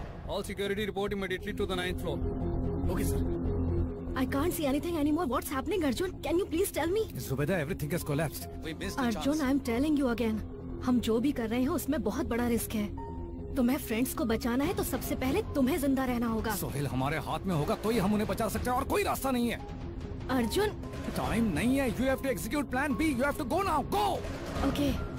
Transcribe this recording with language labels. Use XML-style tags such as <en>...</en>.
<en>All security report immediately to the 9th floor. Okay sir. I can't see anything anymore. What's happening, Arjun? Can you please tell me? Zubeda, everything has collapsed. We missed the Arjun, chance. I'm telling you again.</en> <hi>हम जो भी कर रहे हैं उसमें बहुत बड़ा risk है। तुम्हें फ्रेंड्स को बचाना है तो सबसे पहले तुम्हें जिंदा रहना होगा। सोहेल हमारे हाथ में होगा तो ही हम उन्हें बचा सकते हैं, और कोई रास्ता नहीं है। अर्जुन, टाइम नहीं है।</hi> <en>You have to execute plan B. You have to go now. Go. Okay.</en>